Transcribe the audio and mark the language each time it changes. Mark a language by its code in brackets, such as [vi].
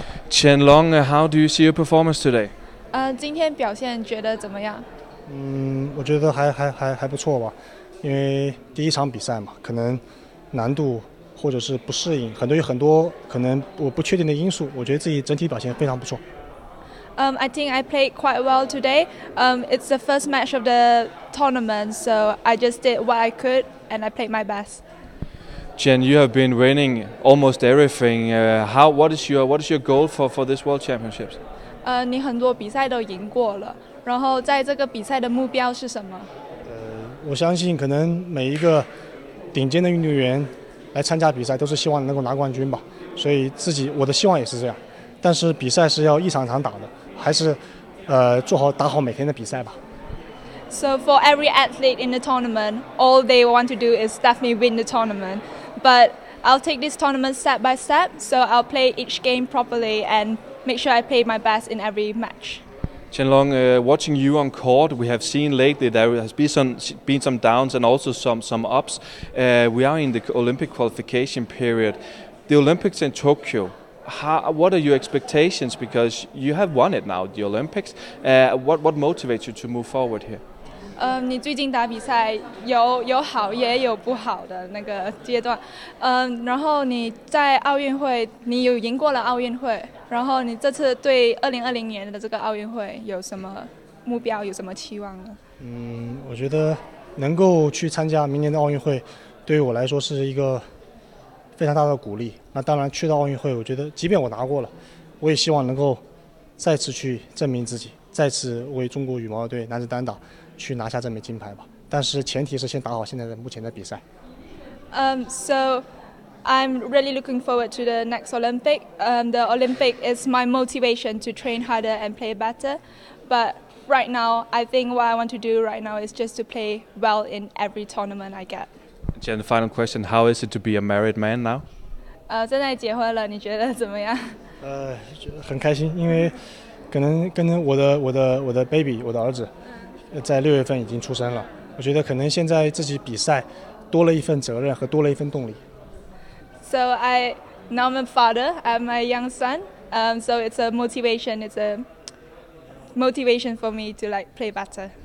[en] Chen Long, how do you see your performance today? [zh] 今天表现觉得怎么样？我觉得还不错吧，因为第一场比赛嘛，可能难度或者是不适应，很多可能我不确定的因素，我觉得自己整体表现非常不错。 [en] I think I played quite well today. It's the first match of the tournament, so I just did what I could and I played my best. Chen, you have been winning almost everything. What is your goal for this World Championships? [zh] 你很多比赛都赢过了，然后在这个比赛的目标是什么？我相信可能每一个顶尖的运动员来参加比赛都是希望能够拿冠军吧，所以自己我的希望也是这样。但是比赛是要一场场打的，还是做好打好每天的比赛吧。 [en] So for every athlete in the tournament, all they want to do is definitely win the tournament. But I'll take this tournament step by step, so I'll play each game properly and make sure I play my best in every match. Chen Long, watching you on court, we have seen lately there has been some downs and also some ups. We are in the Olympic qualification period. The Olympics in Tokyo, what are your expectations? Because you have won it now, the Olympics. What motivates you to move forward here? [zh] 你最近打比赛有好也有不好的那个阶段，然后你在奥运会你有赢过了奥运会，然后你这次对2020年的这个奥运会有什么目标，有什么期望呢？我觉得能够去参加明年的奥运会，对于我来说是一个非常大的鼓励。那当然去到奥运会，我觉得即便我拿过了，我也希望能够再次去证明自己，再次为中国羽毛队男子单打去拿下这枚金牌吧。但是前提是先打好现在的目前的比赛。 [en] So I'm really looking forward to the next Olympic. The Olympic is my motivation to train harder and play better. But right now, I think what I want to do right now is just to play well in every tournament I get. Jen, the final question: how is it to be a married man now? [zh] 现在结婚了，你觉得怎么样？很开心，因为可能跟我的 baby， 我的儿子，在六月份已经出生了。我觉得可能现在自己比赛多了一份责任和多了一份动力。 [en] So I now I'm a father. I have my young son. So it's a motivation for me to like play better.